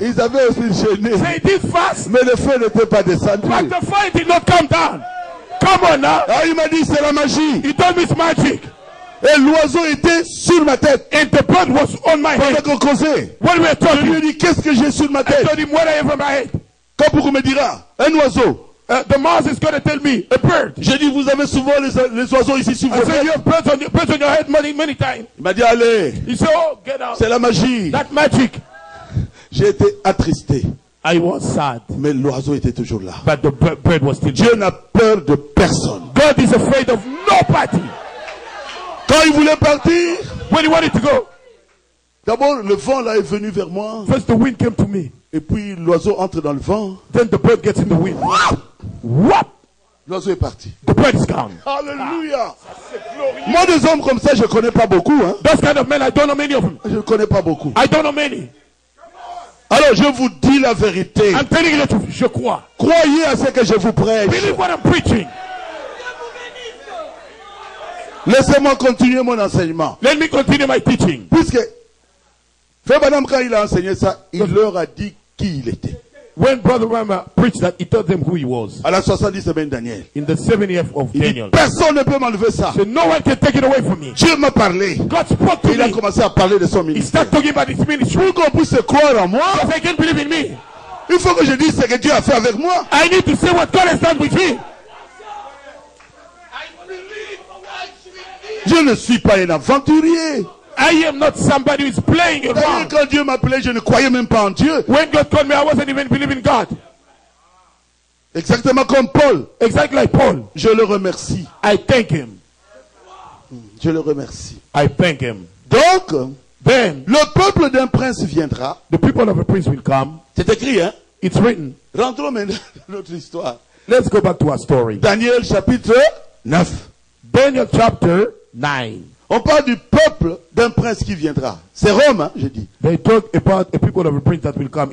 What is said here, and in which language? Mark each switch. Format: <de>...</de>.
<fr>ils avaient aussi jeûné.</fr> <en>They did fast.</en> <fr>Mais le feu n'était pas descendu.</fr> <en>But the fire did not come down. Come on now.</en> <fr>Ah, il m'a dit c'est la magie.</fr> <en>He told me it's magic.</en> <fr>Et l'oiseau était sur ma tête.</fr> <en>And the bird was on my head.</en> <fr>Pendant qu'on causait,</fr> <en>we were talking,</en> <fr>je lui ai dit qu'est-ce que j'ai sur ma tête.</fr> <en>I told him what I have on my head.</en> <fr>Quand vous me dira, un oiseau.</fr> <en>The mouse is going to tell me a bird.</en> <fr>Je dis vous avez souvent les oiseaux ici sur vos têtes.</fr> <en>I said you have birds on your head many times.</en> <fr>Il m'a dit allez.</fr> <en>He said oh get out.</en> <fr>C'est la magie.</fr> <en>That magic.</en> <fr>J'ai été attristé.</fr> <en>I was sad.</en> <fr>Mais l'oiseau était toujours là.</fr> <en>But the bird was still there.</en> <fr>Dieu n'a peur de personne.</fr> <en>God is afraid of nobody.</en> <fr>Quand il voulait partir,</fr> <en>when he wanted to go,</en> <fr>d'abord le vent là est venu vers moi.</fr> <en>First the wind came to me.</en> <fr>Et puis l'oiseau entre dans le vent.</fr> <en>Then the bird gets in the wind. What?</en> <fr>L'oiseau est parti.</fr> <en>The bird is gone.</en> <fr>Alléluia. Moi des hommes comme ça, je connais pas beaucoup, hein.</fr> <en>Those kind of men, I don't know many of them.</en> <fr>Je connais pas beaucoup.</fr> <en>I don't know many.</en> <fr>Alors je vous dis la vérité.</fr> <en>I'm telling you the truth.</en> <fr>Je crois. Croyez à ce que je vous prêche.</fr> <en>Believe what I'm preaching.</en> <fr>Laissez-moi continuer mon enseignement.</fr> <en>Let me continue my teaching.</en> <fr>Puisque Frère Branham, quand il a enseigné ça, il leur a dit qui il était.</fr> <en>When Brother Rama preached that, he told them who he was.</en> <fr>À la 70e semaine de Daniel.</fr> <en>In the 70th of</en> <fr>il</fr> <en>Daniel.</en> <fr>Dit, personne ne peut m'enlever ça.</fr> <en>So no one can take it away from me.</en> <fr>Dieu m'a parlé.</fr> <en>God spoke to</en> <fr>il</fr> <en>me.</en> <fr>A commencé à parler de son ministère.</fr> <en>He started talking about his ministry.</en> <fr>Pour qu'on puisse croire en moi.</fr> <en>Because they can't believe in me.</en> <fr>Il faut que je dise ce que Dieu a fait avec moi.</fr> <en>I need to say what God has done with me.</en> <fr>Je ne suis pas un aventurier.</fr> <en>I am not somebody who is playing around.</en> <fr>Quand Dieu m'appelait, je ne croyais même pas en Dieu.</fr> <en>When God called me, I wasn't even believing God.</en> <fr>Exactement comme Paul.</fr> <en>Exactly like Paul.</en> <fr>Je le remercie.</fr> <en>I thank him.</en> <fr>Je le remercie.</fr> <en>I thank him.</en> <fr>Donc,</fr> <en>then,</en> <fr>le peuple d'un prince viendra.</fr> <en>The people of a prince will come.</en> <fr>C'est écrit, hein?</fr> <en>It's written.</en> <fr>Rentrons maintenant dans notre histoire.</fr> <en>Let's go back to our story.</en> <fr>Daniel chapitre 9.</fr> <en>Daniel chapter 9.</en> <fr>On parle du peuple d'un prince qui viendra. C'est Rome, hein, je dis.</fr> <en>They talk about a people of a prince that will come.</en>